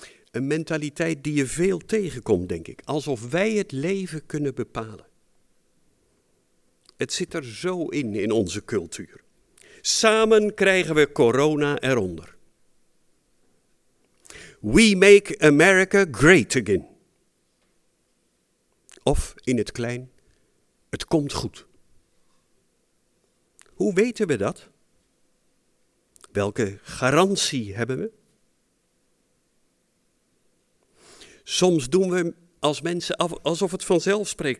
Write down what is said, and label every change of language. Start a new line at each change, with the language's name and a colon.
Dutch: Een mentaliteit die je veel tegenkomt, denk ik. Alsof wij het leven kunnen bepalen. Het zit er zo in onze cultuur. Samen krijgen we corona eronder.
English: We make America great again.
Dutch: Of in het klein, het komt goed. Hoe weten we dat? Welke garantie hebben we? Soms doen we als mensen alsof het vanzelf spreekt.